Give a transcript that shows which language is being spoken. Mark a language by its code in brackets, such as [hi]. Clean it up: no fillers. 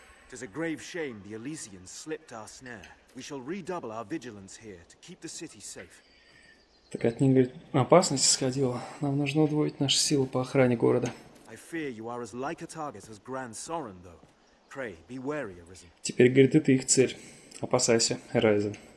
[en] It's a grave shame the Elysians slipped our snare. We shall redouble our vigilance here to keep the city safe. [ru] Так от них, говорит, опасность исходила. Нам нужно удвоить наши силы по охране города. [en] I fear you are as like a target as Grand Sorin, though. Pray, be wary, Arisen. [ru] Теперь, говорит, это их цель. Опасайся, Arisen.